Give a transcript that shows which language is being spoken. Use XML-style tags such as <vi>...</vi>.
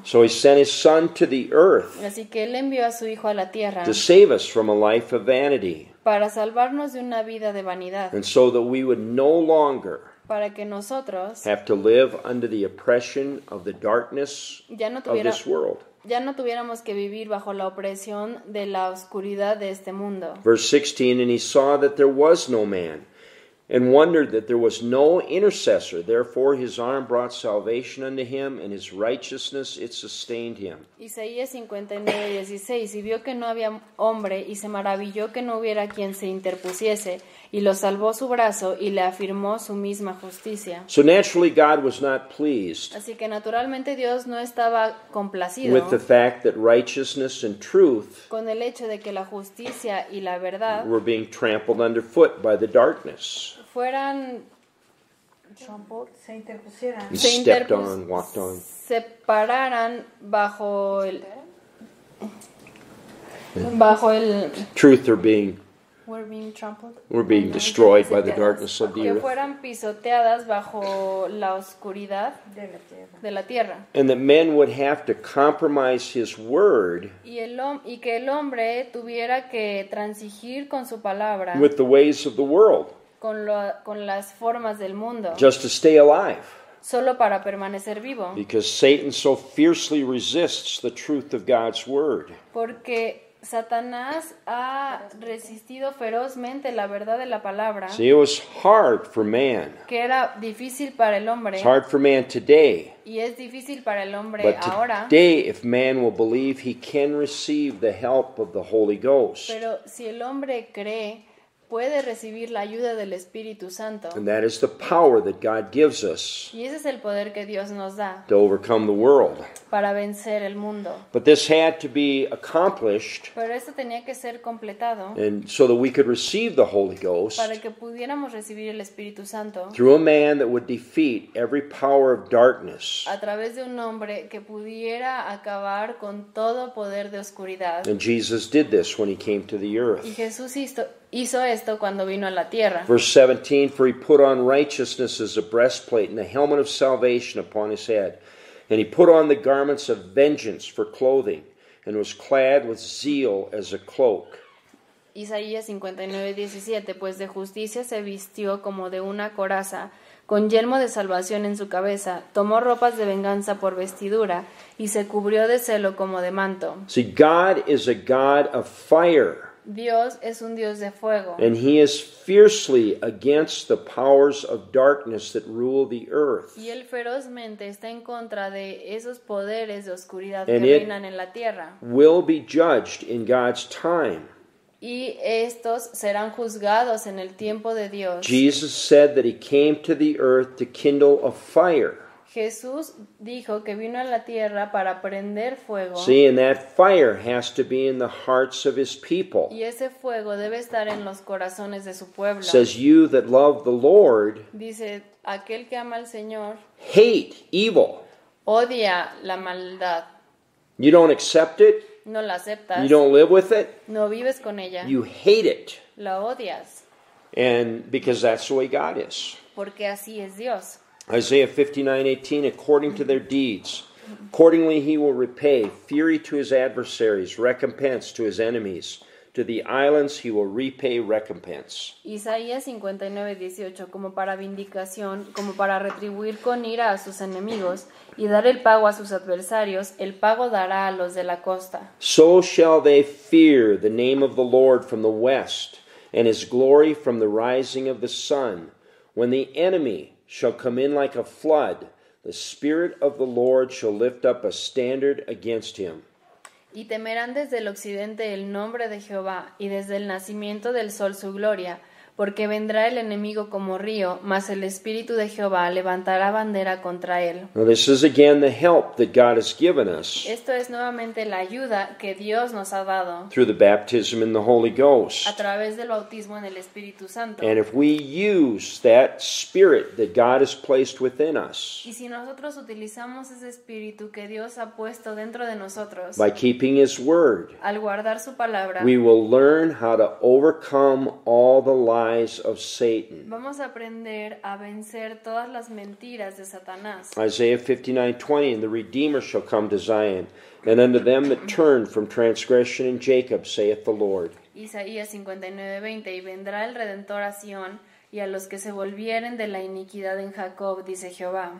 <en>So he sent his son to the earth.</en> <es>Así que él envió a su hijo a la tierra.</es> <en>To save us from a life of vanity.</en> <es>Para salvarnos de una vida de vanidad.</es> <en>And so that we would no longer.</en> <es>Para que nosotros.</es> <en>Have to live under the oppression of the darkness of this world.</en> <es>Ya no tuviéramos que vivir bajo la opresión de la oscuridad de este mundo.</es> <en>Verse 16, and he saw that there was no man. And wondered that there was no intercessor. Therefore, his arm brought salvation unto him, and his righteousness it sustained him.</en> <es>Isaías 59:16. Y vio que no había hombre, y se maravilló que no hubiera quien se interpusiese, y lo salvó su brazo, y le afirmó su misma justicia.</es> <en>So naturally, God was not pleased.</en> <es>Así que naturalmente Dios no estaba complacido.</es> <en>With the fact that righteousness and truth.</en> <es>Con el hecho de que la justicia y la verdad.</es> <en>Were being trampled underfoot by the darkness.</en> <es>Fueran</es> <en>trampled, se stepped on, walked on.</en> <es>Se pararan bajo el bajo el</es> <en>truth or being were being trampled were being destroyed by the darkness of the earth.</en> <es>Que fueran pisoteadas bajo la oscuridad de la tierra.</es> <en>And that men would have to compromise his word.</en> <es>Y que el hombre tuviera que transigir con su palabra.</es> <en>With the ways of the world.</en> <es>Con las formas del mundo.</es> <en>Just to stay alive.</en> <es>Solo para permanecer vivo.</es> <en>Because Satan so fiercely resists the truth of God's word.</en> <es>Porque Satanás ha resistido ferozmente la verdad de la palabra.</es> <en>See, it was hard for man.</en> <es>Que era difícil para el hombre.</es> <en>It's hard for man today.</en> <es>Y es difícil para el hombre</es> <en>but</en> <es>ahora.</es> <en>Today, if man will believe, he can receive the help of the Holy Ghost.</en> <es>Pero si el hombre cree, puede recibir la ayuda del Espíritu Santo.</es> <en>And that is the power that God gives us.</en> <es>Y ese es el poder que Dios nos da.</es> <en>To overcome the world.</en> <es>Para vencer el mundo.</es> <en>But this had to be accomplished.</en> <es>Pero esto tenía que ser completado.</es> <en>And so that we could receive the Holy Ghost.</en> <es>Para que pudiéramos recibir el Espíritu Santo.</es> <en>Through a man that would defeat every power of darkness.</en> <es>A través de un hombre que pudiera acabar con todo poder de oscuridad.</es> <en>And Jesus did this when he came to the earth.</en> <es>Y Jesús hizo esto cuando vino a la tierra.</es> <en>Verse 17, for he put on righteousness as a breastplate and the helmet of salvation upon his head. And he put on the garments of vengeance for clothing and was clad with zeal as a cloak.</en> <es>Isaías 59:17, pues de justicia se vistió como de una coraza, con yelmo de salvación en su cabeza, tomó ropas de venganza por vestidura y se cubrió de celo como de manto.</es> <en>See, God is a God of fire.</en> <es>Dios es un Dios de fuego.</es> <en>And he is fiercely against the powers of darkness that rule the earth.</en> <es>Y él ferozmente está en contra de esos poderes de oscuridad que reinan en la tierra.</es> <en>Will be judged in God's time.</en> <es>Y estos serán juzgados en el tiempo de Dios.</es> <en>Jesus said that he came to the earth to kindle a fire.</en> <es>Jesús dijo que vino a la tierra para prender fuego.</es> <en>See, and that fire has to be in the hearts of his people.</en> <es>Y ese fuego debe estar en los corazones de su pueblo.</es> <en>Says you that love the Lord.</en> <es>Dice aquel que ama al Señor.</es> <en>Hate evil.</en> <es>Odia la maldad.</es> <en>You don't accept it.</en> <es>No la aceptas.</es> <en>You don't live with it.</en> <es>No vives con ella.</es> <en>You hate it.</en> <es>La odias.</es> <en>And because that's the way God is.</en> <es>Porque así es Dios.</es> <en>Isaiah 59:18, according to their deeds, accordingly he will repay fury to his adversaries, recompense to his enemies. To the islands he will repay recompense.</en> <es>Isaías 59:18, como para vindicación, como para retribuir con ira a sus enemigos y dar el pago a sus adversarios, el pago dará a los de la costa.</es> <en>So shall they fear the name of the Lord from the west and his glory from the rising of the sun. When the enemy shall come in like a flood, the Spirit of the Lord shall lift up a standard against him.</en> <es>Y temerán desde el occidente el nombre de Jehová, y desde el nacimiento del sol su gloria, porque vendrá el enemigo como río, mas el Espíritu de Jehová levantará bandera contra él.</es> <en>Now this is again the help that God has given us.</en> <es>Esto es nuevamente la ayuda que Dios nos ha dado.</es> <en>Through the baptism in the Holy Ghost.</en> <es>A través del bautismo en el Espíritu Santo.</es> <en>And if we use that Spirit that God has placed within us.</en> <es>Y si nosotros utilizamos ese Espíritu que Dios ha puesto dentro de nosotros.</es> <en>By keeping His Word.</en> <es>Al guardar su palabra.</es> <en>We will learn how to overcome all the lies of Satan.</en> <es>Vamos a aprender a vencer todas las mentiras de Satanás.</es> <en>Isaiah 59:20, and the Redeemer shall come to Zion, and unto them that turn from transgression in Jacob, saith the Lord.</en> <es>Isaías 59:20, y vendrá el Redentor a Sion, y a los que se volvieren de la iniquidad en Jacob, dice Jehová.</es>